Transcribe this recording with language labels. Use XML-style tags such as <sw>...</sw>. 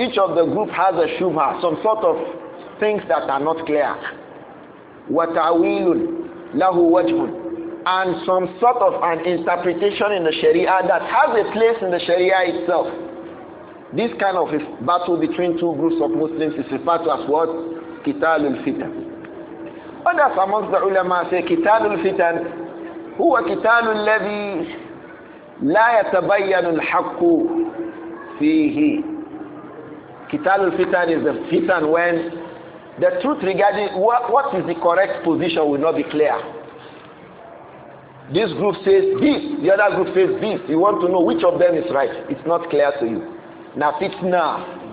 <en>Each of the group has a shubha, some sort of things that are not clear.</en> <ar>وَتَعْوِيلٌ لَهُ وَجْهٌ.</ar> <en>And some sort of an interpretation in the Sharia that has a place in the Sharia itself. This kind of battle between two groups of Muslims is referred to as what?</en> <ar>قِتَالُ الْفِتَنِ.</ar> <en>Others amongst the ulama say,</en> <ar>قِتَالُ الْفِتَنِ هُوَ قِتَالُ الَّذِي لَا يَتَبَيَّنُ الْحَقُّ فِيهِ.</ar> <en>Kitab al-fitan is the fitan when the truth regarding what is the correct position will not be clear. This group says this, the other group says this. You want to know which of them is right. It's not clear to you. Na fitna.</en>